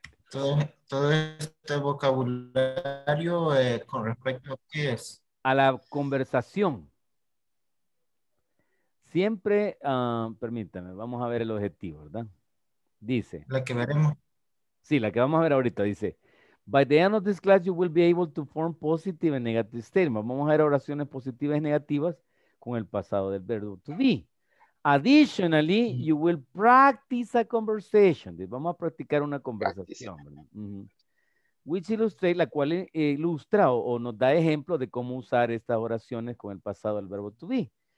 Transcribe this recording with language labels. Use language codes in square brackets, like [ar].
[es] Todo este vocabulario con respecto a qué es. A la conversación. Siempre, permítame, vamos a ver el objetivo, ¿verdad? Dice. La que veremos. Sí, la que vamos a ver ahorita, dice. [en] By the end of this class, you will be able to form positive and negative statements. [es] Vamos a ver oraciones positivas y negativas con el pasado del verbo to be. [en] Additionally, you will practice a conversation. [es] Vamos a practicar una conversación. [en] Which illustrate, [es] la cual ilustra o nos da ejemplo de cómo usar estas oraciones con el pasado del verbo to be.